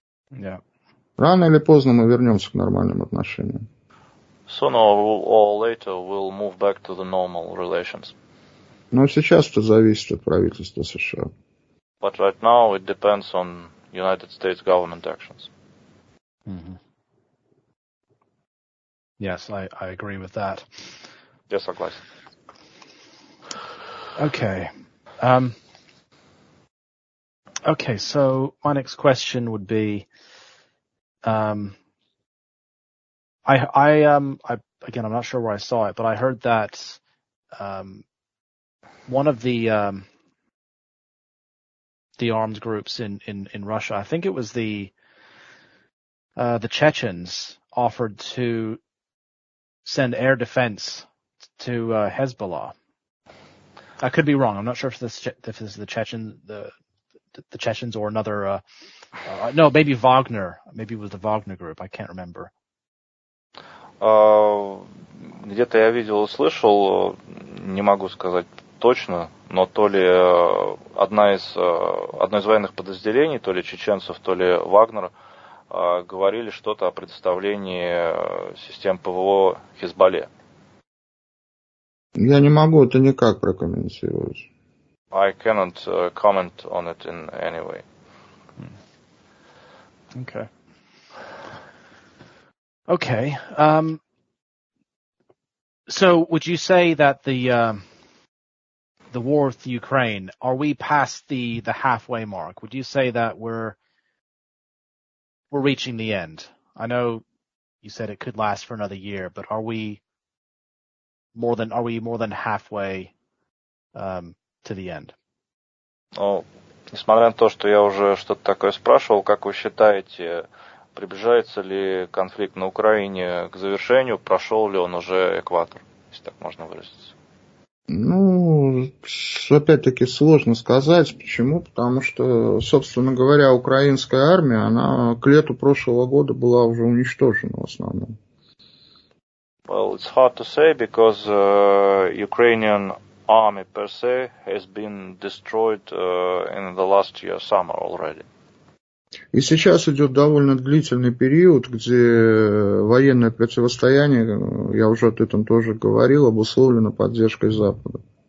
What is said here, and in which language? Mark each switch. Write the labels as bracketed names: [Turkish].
[English] Yeah. [Russian] Рано или поздно мы вернемся к нормальным отношениям. [English] Sooner or later we'll move back to the normal relations. [Russian] Но сейчас это зависит от правительства США. [English] But right now it depends on United States government actions. Mm-hmm. Yes, I agree with that. Yes, I agree. Okay. Okay, so my next question would be I I'm not sure where I saw it, but I heard that one of the armed groups in Russia, I think it was the Chechens, offered to send air defense to Hezbollah. I could be wrong. I'm not sure if this is the Chechens or another maybe Wagner. Maybe it was the Wagner group. I can't remember. [Russian] Где-то я видел, услышал, не могу сказать точно, но то ли одно из военных подразделений, то ли чеченцев, то ли Вагнер, говорили что-то о предоставлении систем ПВО Хизбалле. Я не могу это никак прокомментировать. [English] I cannot comment on it in any way. Okay. Okay. So would you say that the war with Ukraine, are we past the halfway mark? Would you say that we're reaching the end? I know you said it could last for another year, but are we more than halfway to the end? [Russian] Well, несмотря на то, что я уже что-то такое спрашивал, как вы считаете, приближается ли конфликт на Украине к завершению, прошел ли он уже экватор, если так можно выразиться? Ну, опять-таки сложно сказать. Почему? Потому что, собственно говоря, украинская армия, она к лету прошлого года была уже уничтожена в основном. [English] Well, it's hard to say, because Ukrainian army per se has been destroyed in the last year summer already. [Russian] И сейчас идет довольно длительный период, где военное противостояние, я уже об этом тоже говорил, обусловлено поддержкой Запада.